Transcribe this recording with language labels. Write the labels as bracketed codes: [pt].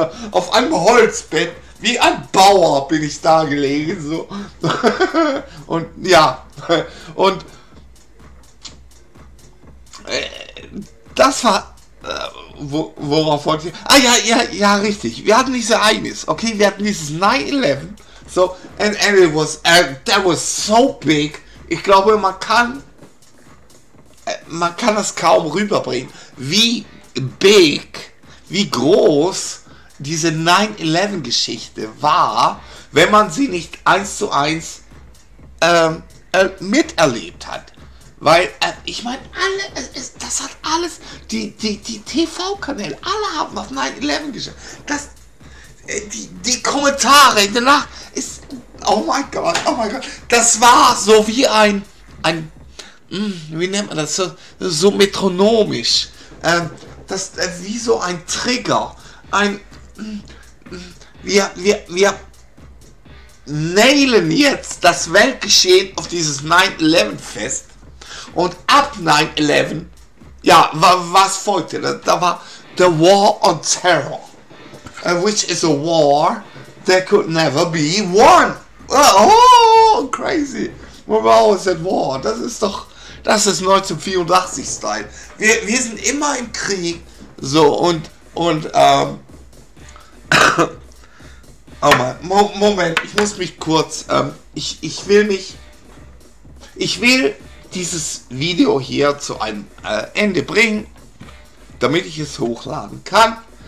[de] Auf einem Holzbett. Wie ein Bauer bin ich da gelegen. So. Und ja. Und das war, worauf wollte ich, richtig, wir hatten dieses Ereignis, okay, wir hatten dieses 9-11, [en] So, and it was, that was so big. [de] Ich glaube, man kann das kaum rüberbringen, wie big, wie groß diese 9-11-Geschichte war, wenn man sie nicht eins zu eins miterlebt hat. Weil, ich meine, alle, das hat alles, die TV-Kanäle, alle haben auf 9-11 geschaut. Das, die Kommentare danach ist, oh mein Gott, das war so wie ein, wie nennt man das, so metronomisch, das, wie so ein Trigger, ein, wir nailen jetzt das Weltgeschehen auf dieses 9-11 fest. Und ab 9-11, ja, was folgte? Da war The War on Terror. [en] Which is a war that could never be won. Oh, crazy. Wow, is that war? [de] Das ist doch, das ist 1984-Style. Wir sind immer im Krieg. So, oh man, Moment, ich muss mich kurz, ich will dieses Video hier zu einem Ende bringen, damit ich es hochladen kann.